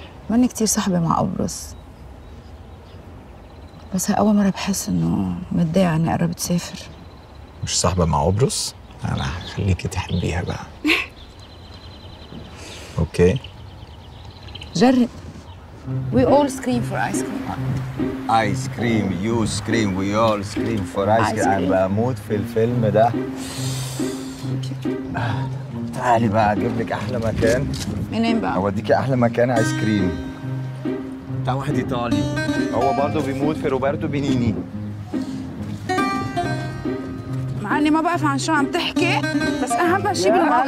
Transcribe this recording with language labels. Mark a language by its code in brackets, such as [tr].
[ar] ماني كتير صاحبة مع أبرص، بس هي أول مرة بحس إنه متضايقة إني قربت أسافر. مش صاحبة مع أبرص؟ أنا هخليكي تحبيها بقى. أوكي. جرب. [en] We all scream for ice cream. Ice cream, you scream, we all scream for ice cream. [ar] أنا بموت في الفيلم ده. تعالي بقى أجيب لك أحلى مكان. منين بقى؟ أوديكي أحلى مكان آيس كريم. بتاع واحد إيطالي. هو برضه بيموت في روبرتو بينيني. أني ما بعرف عن شو عم تحكي، بس أهم شيء بالموضوع